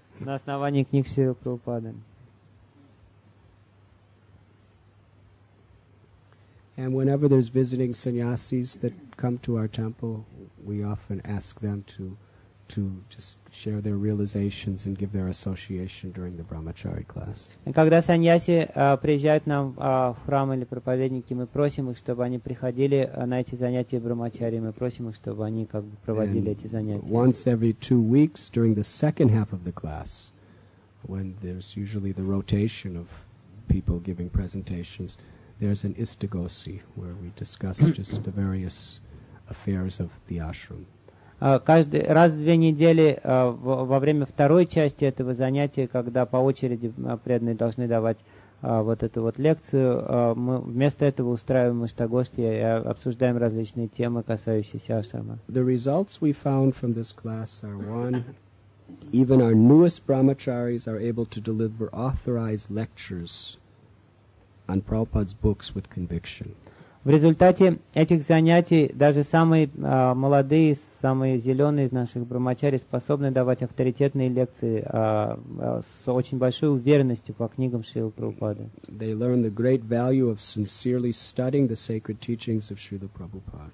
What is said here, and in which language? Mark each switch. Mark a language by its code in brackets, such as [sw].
[ru] На основании книг Шрилы Прабхупады. [en] And whenever there's visiting sannyasis that come to our temple, we often ask them to just share their realizations and give their association during the brahmachari class. [ru] Когда саньяси приезжают нам в храм или проповедники, мы просим их, чтобы они приходили на эти занятия брахмачари, мы просим их, чтобы они как бы проводили эти занятия. [en] Once every 2 weeks during the second half of the class, when there's usually the rotation of people giving presentations, there's an istigosi where we discuss just the various affairs of the ashram. [ru] Каждый раз в две недели во время второй части этого занятия, когда по очереди преданные должны давать вот эту вот лекцию, мы вместо этого устраиваем иштагости и обсуждаем различные темы, касающиеся ашрама. [en] The results we found from this class are one, even our newest brahmacharis are able to deliver authorized lectures on Prabhupada's books with conviction. [ru] В результате этих занятий даже самые молодые, самые зеленые из наших брахмачари способны давать авторитетные лекции с очень большой уверенностью по книгам Шрилы Прабхупады. [en] They learn the great value of sincerely studying the sacred teachings of Srila Prabhupada.